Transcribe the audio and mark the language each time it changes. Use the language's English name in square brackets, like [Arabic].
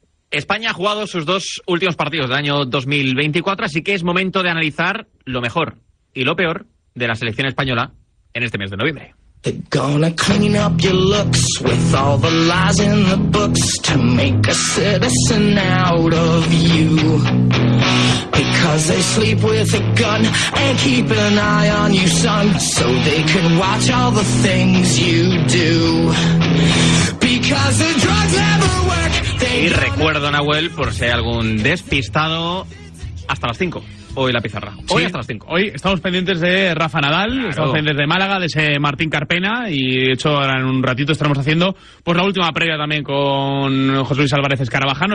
[Spanish] España ha jugado sus dos últimos partidos del año 2024, así que es momento de analizar lo mejor y lo peor de la selección española en este mes de noviembre. [English] They're gonna clean up your looks with all the lies in the books to make a citizen out of you. Because they sleep with a gun and keep an eye on you, son, so they can watch all the things you do. Because the drugs never work. [Spanish] Y recuerdo, Nahuel, por si hay algún despistado, hasta las 5. Hoy la pizarra. Hoy sí, hasta las 5. Hoy estamos pendientes de Rafa Nadal, claro. Estamos pendientes de Málaga, de ese Martín Carpena, y de hecho ahora en un ratito estaremos haciendo pues la última previa también con José Luis Álvarez Escarabajano.